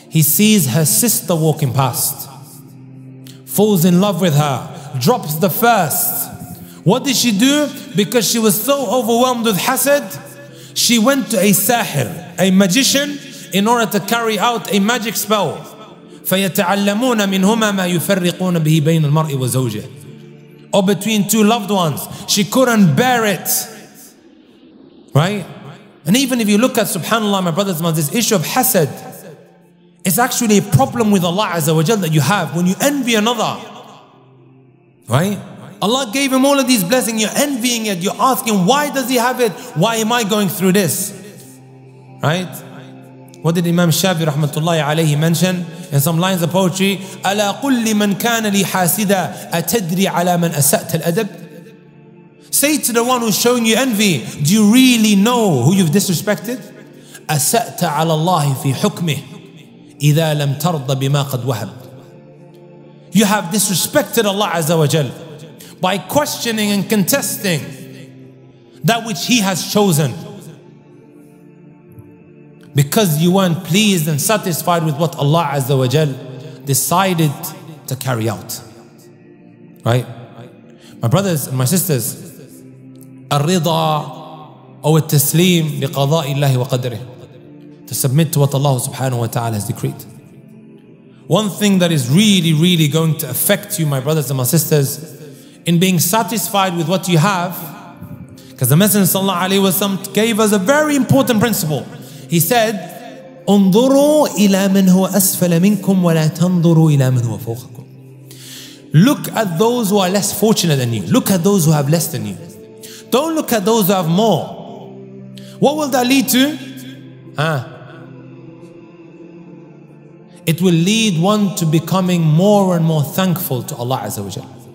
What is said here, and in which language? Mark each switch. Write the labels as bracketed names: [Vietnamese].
[English] He sees her sister walking past. Falls in love with her. Drops the first. What did she do? Because she was so overwhelmed with hasad, she went to a sahir, a magician, in order to carry out a magic spell. [Arabic] فَيَتَعَلَّمُونَ مِنْهُمَا مَا يُفَرِّقُونَ بِهِ بَيْنَ الْمَرْءِ وَزَوْجِهِ [English] Or between two loved ones. She couldn't bear it. Right? And even if you look at, subhanAllah, my brothers and sisters, this issue of hasad, it's actually a problem with Allah Azza wa Jal that you have when you envy another. Right? Allah gave him all of these blessings. You're envying it. You're asking, why does he have it? Why am I going through this? Right? What did Imam Shafi rahmatullahi alayhi mention in some lines of poetry? [Arabic] Ala qul liman kana li hasida atadri ala man asat al adab? [English] Say to the one who's showing you envy, do you really know who you've disrespected? [Arabic] Asat ala Allah fi hukmih idha lam tarda bima qad wahab. [English] You have disrespected Allah Azza wa Jal by questioning and contesting that which He has chosen. Because you weren't pleased and satisfied with what Allah Azza wa Jal decided to carry out. Right? My brothers and my sisters, [Arabic] الرِّضَى أو التسليم لِقَضَاءِ اللَّهِ وَقَدْرِهِ. [English] To submit to what Allah subhanahu wa ta'ala has decreed. One thing that is really, really going to affect you, my brothers and my sisters, in being satisfied with what you have, because the Messenger sallallahu alayhi wa sallam gave us a very important principle. He said, [Arabic] انظروا إلى من هو أسفل منكم ولا تنظروا إلى من هو فوقكم. [English] Look at those who are less fortunate than you. Look at those who have less than you. Don't look at those who have more. What will that lead to? Huh? It will lead one to becoming more and more thankful to Allah Azza wa Jalla.